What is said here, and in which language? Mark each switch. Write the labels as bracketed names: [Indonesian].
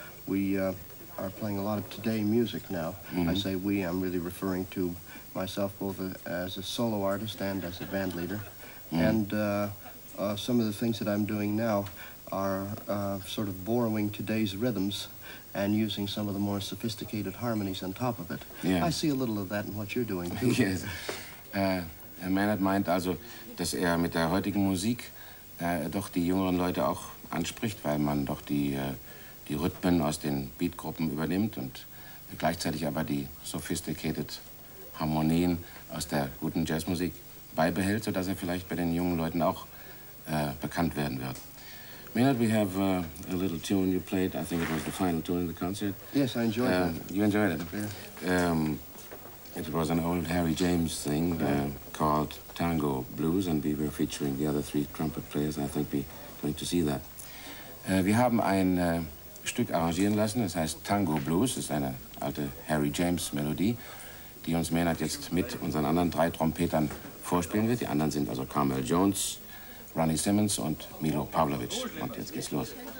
[English] We are playing a lot of today music now. Mm-hmm. I say we, I'm really referring to myself both as a solo artist and as a band leader. Mm-hmm. And some of the things that I'm doing now are sort of borrowing today's rhythms and using some of the more sophisticated harmonies on top of it. Yeah. I see a little of that in what you're doing, too. Yes. [German] Herr Maynard meint also, dass er mit der heutigen Musik doch die jüngeren Leute auch anspricht, weil man doch die Rhythmen aus den Beatgruppen übernimmt und gleichzeitig aber die sophisticated Harmonien aus der guten Jazzmusik beibehält, sodass er vielleicht bei den jungen Leuten auch bekannt werden wird. [English] Maynard, we have a little tune you played. I think it was the final tune of the concert. Yes, I enjoyed it. You enjoyed it? Yeah. It was an old Harry James thing called Tango Blues, and we were featuring the other three trumpet players. I think we're going to see that. [German] Wir haben ein Stück arrangieren lassen, es heißt Tango Blues. Es ist eine alte Harry James Melodie, die uns Maynard jetzt mit unseren anderen drei Trompetern vorspielen wird. Die anderen sind also Carmel Jones, Ronnie Simmons und Milo Pavlovic. Und jetzt geht's los.